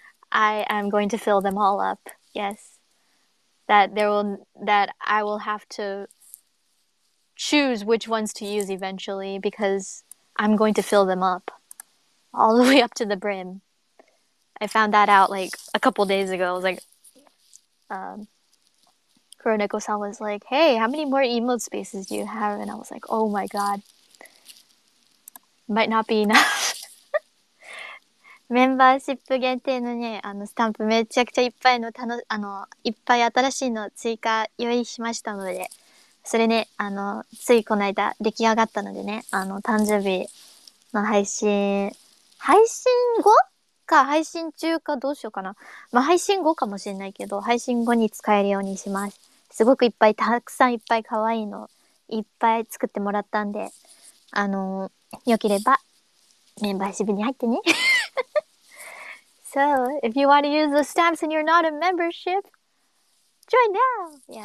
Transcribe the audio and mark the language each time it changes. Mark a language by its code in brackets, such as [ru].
[en] I am going to fill them all up. Yes, that I will have to choose which ones to use eventually because I'm going to fill them up all the way up to the brim. I found that out like a couple days ago. I was like, Kuroneko-san was like, hey, how many more emote spaces do you have? And I was like, oh my god, might not be enough. [ja] メンバーシップ限定のね、あのスタンプめちゃくちゃいっぱいの、あの、いっぱい新しいの追加用意しましたので、それね、あの、ついこの間出来上がったのでね、あの、誕生日の配信後か、配信中かどうしようかな。まあ、配信後かもしれないけど、配信後に使えるようにします。すごくいっぱい、たくさんいっぱい可愛いの、いっぱい作ってもらったんで、あの、よければ、メンバーシップに入ってね。 [en] So, if you want to use the stamps and you're not a membership, join now!